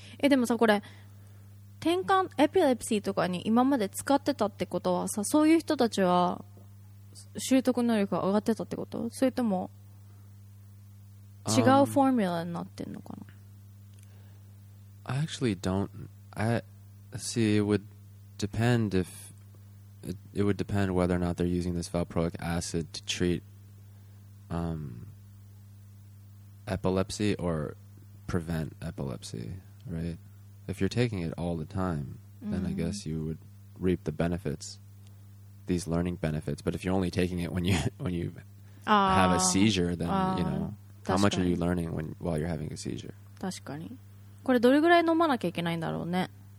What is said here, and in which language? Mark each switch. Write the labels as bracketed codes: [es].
[ja] え、でもさ、これ、転換エピレプシーとかに今まで使ってたってことはさ、そういう人たちは習得能力が上がってたってこと？それとも違うフォーミュラになってんのかな？ [en] I actually don't. I see. It would depend if it would depend whether or not they're using this valproic acid to treat epilepsy or prevent epilepsy, right? If you're taking it all the time, then、mm-hmm. I guess you would reap the benefits, these learning benefits. But if you're only taking it when you have a seizure, then, you know, how much are you learning while you're having a seizure? [ja] 確かに。これどれぐらい飲まなきゃいけないんだろうね?